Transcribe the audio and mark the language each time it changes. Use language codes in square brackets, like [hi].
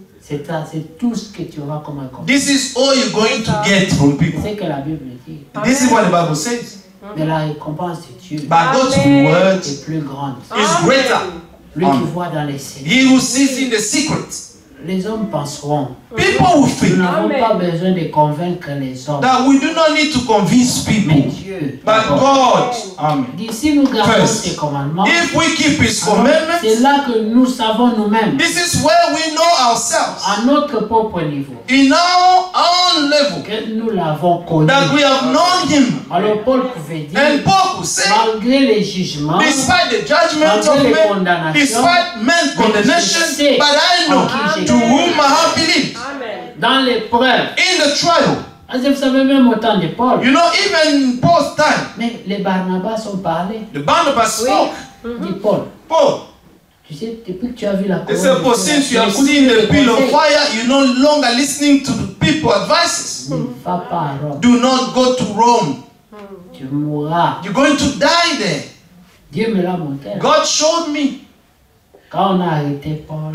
[fr] C'est tout ce que tu auras comme récompense. [en] This is all you're going to get from people. [fr] C'est que la Bible dit. Amen. [en] This is what the Bible says. [fr] Mais la récompense de Dieu. [en] But God's word [fr] est plus grande. [en] Is greater. [fr] Lui qui voit dans les secrets. [en] He who sees in the secret. [fr] Les hommes penseront. [en] People will think. [fr] Nous n'avons pas besoin de convaincre les hommes. [en] That we do not need to convince people. [fr] Mais Dieu. [en] But God. [fr] Amen. D'ici nous gardons ses commandements. [en] If we keep his commandments. [fr] C'est là que nous savons nous-mêmes. [en] This is where we know ourselves. [fr] À notre propre niveau. [en] In our own level. [fr] Que nous l'avons connu. [en] That we have known him. [fr] Alors Paul pouvait dire. [en] And Paul could say. [fr] Malgré les jugements. [en] Despite the judgment of men. [fr] Malgré les condamnations. [en] Despite men's condemnation. But I know to whom I have believed. [fr] Dans l'épreuve. [en] In the trial. [fr] Parce que vous savez même au temps de Paul. [en] You know even Paul's time. [fr] Mais les Barnabas ont parlé. [en] The Barnabas spoke. [fr] De Paul. [en] Paul. [fr] Tu sais depuis que tu as vu la couronne. [en] They said, Paul, since you have seen the pillar of fire, you're no longer listening to the people's advices. [fr] Ne va pas à Rome. [en] Do not go to Rome. [fr] Tu mourras. [en] You're going to die there. [fr] Dieu me l'a montré. [en] God showed me. [fr] Quand on a arrêté Paul.